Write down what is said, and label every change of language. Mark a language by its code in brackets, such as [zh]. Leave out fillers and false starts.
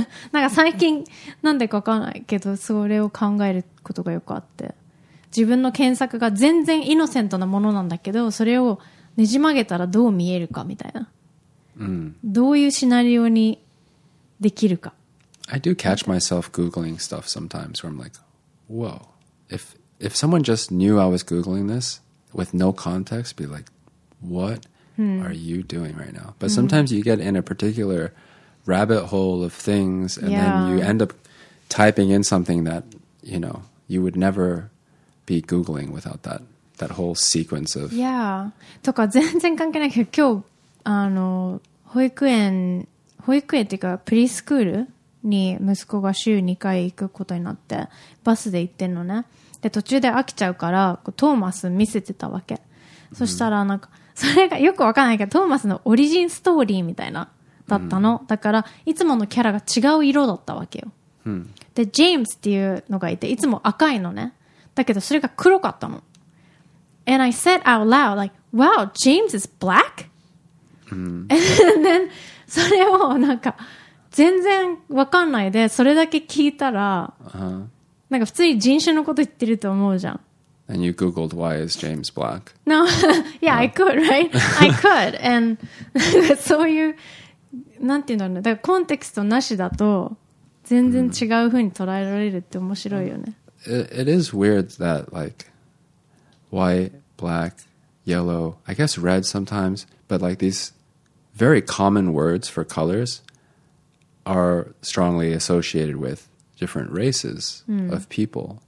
[ja] なんか最近なんでか分かんないけどそれを考えることがよくあって、自分の検索が全然イノセントなものなんだけどそれをねじ曲げたらどう見えるかみたいな、どういうシナリオにできるか。 [en] I do catch myself googling stuff sometimes where I'm like, whoa, if if someone just knew I was Googling this with no context, be like, what are you doing right now? But sometimes you get in a particular rabbit hole of things and then you end up typing in something that, you know, you would never be Googling without that, that whole sequence of... Yeah. [ja] とか全然関係ないけど、今日、あの、保育園っていうか、プリスクールに息子が週2回行くことになって、バスで行ってんのね。で、途中で飽きちゃうから、トーマス見せてたわけ。そしたら、なんか、それがよくわかんないけど、トーマスのオリジンストーリーみたいな、だったの。だから、いつものキャラが違う色だったわけよ。で、ジェームスっていうのがいて、いつも赤いのね。だけど、それが黒かったの。 [en] And I said out loud, like, wow, James is black? And then, [ja] それをなんか、全然わかんないで、それだけ聞いたら、なんか普通に人種のこと言ってると思うじゃん。 [en] And you googled, why is James black? No, yeah, I could, right? I could. [ja] And, そういう、なんていうんだろうね。だからコンテクストなしだと、全然違うふうに捉えられるって面白いよね。 [en] It is weird that, like,white, black, yellow, I guess red sometimes, but like these very common words for colors are strongly associated with different races of people.